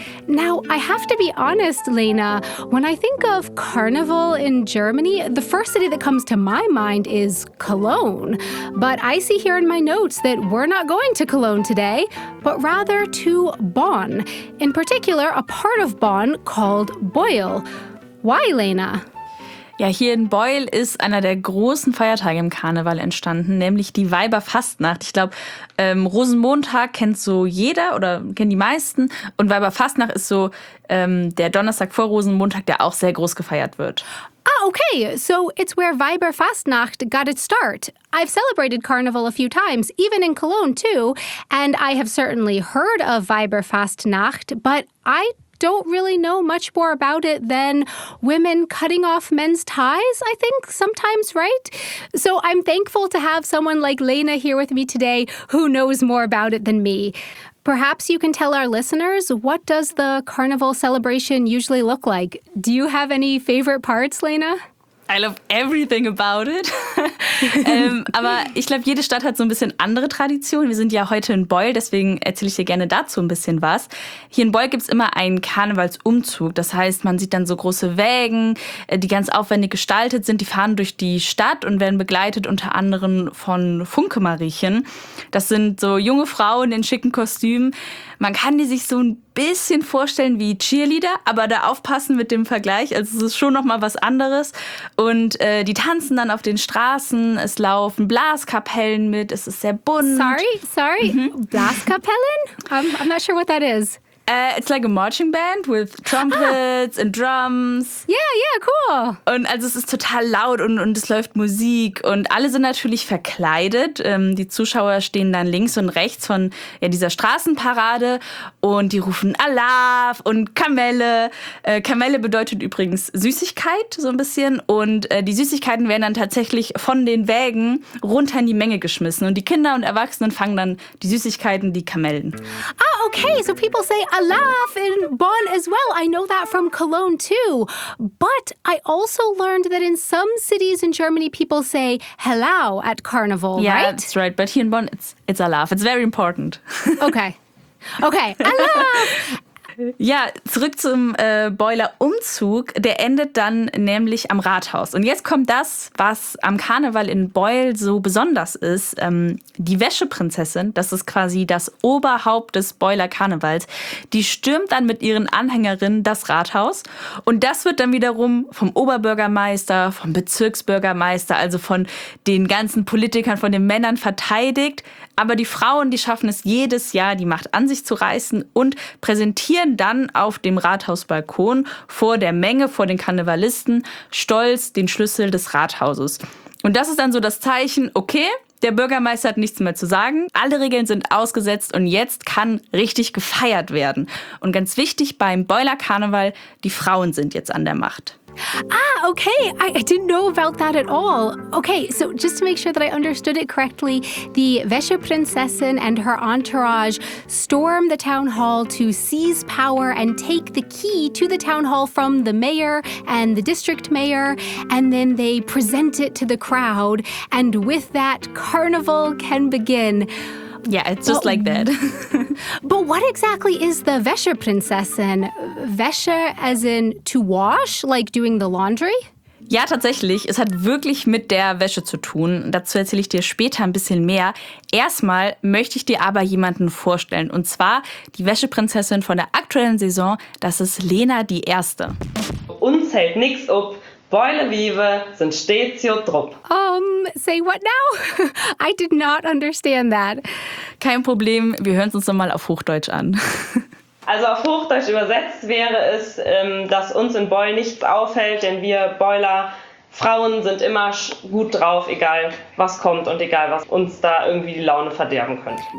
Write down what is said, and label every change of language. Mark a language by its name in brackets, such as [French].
[English] Now, I have to be honest, Lena, when I think of carnival in Germany, the first city that comes to my mind is Cologne. But I see here in my notes that we're not going to Cologne today, but rather to Bonn. In particular, a part of Bonn called Beuel. Why, Lena? [German] Ja, hier in Beuel ist einer der großen Feiertage im Karneval entstanden, nämlich die Weiberfastnacht. Ich glaube, Rosenmontag kennt so jeder oder kennen die meisten. Und Weiberfastnacht ist so der Donnerstag vor Rosenmontag, der auch sehr groß gefeiert wird. [English] Ah, okay. So it's where Weiberfastnacht got its start. I've celebrated Carnival a few times, even in Cologne too. And I have certainly heard of Weiberfastnacht, but I don't really know much more about it than women cutting off men's ties, I think, sometimes, right? So I'm thankful to have someone like Lena here with me today who knows more about it than me. Perhaps you can tell our listeners, what does the carnival celebration usually look like? Do you have any favorite parts, Lena? I love everything about it. [German] aber ich glaube, jede Stadt hat so ein bisschen andere Traditionen. Wir sind ja heute in Beuel, deswegen erzähle ich dir gerne dazu ein bisschen was. Hier in Beuel gibt es immer einen Karnevalsumzug. Das heißt, man sieht dann so große Wägen, die ganz aufwendig gestaltet sind. Die fahren durch die Stadt und werden begleitet unter anderem von Funke-Mariechen. Das sind so junge Frauen in schicken Kostümen. Man kann die sich so ein bisschen vorstellen wie Cheerleader, aber da aufpassen mit dem Vergleich. Also es ist schon nochmal was anderes. Und die tanzen dann auf den Straßen, es laufen Blaskapellen mit, es ist sehr bunt. [English] Sorry? Mhm. Blaskapellen? I'm not sure what that is. It's like a marching band with trumpets and drums. Yeah, cool. [German] Und also es ist total laut und es läuft Musik und alle sind natürlich verkleidet. Die Zuschauer stehen dann links und rechts von dieser Straßenparade und die rufen Alaaf und Kamelle. Kamelle bedeutet übrigens Süßigkeit so ein bisschen und die Süßigkeiten werden dann tatsächlich von den Wägen runter in die Menge geschmissen und die Kinder und Erwachsenen fangen dann die Süßigkeiten, die Kamellen. [English] Ah, okay, so people say Alaaf in Bonn as well. I know that from Cologne too. But I also learned that in some cities in Germany, people say hello at carnival, yeah, right? Yeah, that's right. But here in Bonn, it's Alaaf. It's very important. Okay. Alaaf! [German] Ja, zurück zum Beuler-Umzug. Der endet dann nämlich am Rathaus. Und jetzt kommt das, was am Karneval in Beul so besonders ist. Die Wäscheprinzessin, das ist quasi das Oberhaupt des Beuler-Karnevals, die stürmt dann mit ihren Anhängerinnen das Rathaus. Und das wird dann wiederum vom Oberbürgermeister, vom Bezirksbürgermeister, also von den ganzen Politikern, von den Männern verteidigt. Aber die Frauen, die schaffen es jedes Jahr, die Macht an sich zu reißen und präsentieren dann auf dem Rathausbalkon vor der Menge, vor den Karnevalisten, stolz den Schlüssel des Rathauses. Und das ist dann so das Zeichen, okay, der Bürgermeister hat nichts mehr zu sagen, alle Regeln sind ausgesetzt und jetzt kann richtig gefeiert werden. Und ganz wichtig beim Beuler-Karneval, die Frauen sind jetzt an der Macht. [English] Ah, okay, I didn't know about that at all. Okay, so just to make sure that I understood it correctly, the Wäscheprinzessin and her entourage storm the town hall to seize power and take the key to the town hall from the mayor and the district mayor, and then they present it to the crowd, and with that, carnival can begin. Yeah, it's just like that. But what exactly is the Wäscheprinzessin? Wäsche as in to wash, like doing the laundry? [German] Ja, tatsächlich. Es hat wirklich mit der Wäsche zu tun. Dazu erzähle ich dir später ein bisschen mehr. Erstmal möchte ich dir aber jemanden vorstellen. Und zwar die Wäscheprinzessin von der aktuellen Saison. Das ist Lena die Erste. [Colognian] Uns hält nichts ob. Beule vive sind stets jo drupp. [English] Say what now? I did not understand that. [German] Kein Problem, wir hören es uns nochmal auf Hochdeutsch an. Also auf Hochdeutsch übersetzt wäre es, dass uns in Beul nichts auffällt, denn wir Beuler Frauen sind immer gut drauf, egal was kommt und egal was uns da irgendwie die Laune verderben könnte.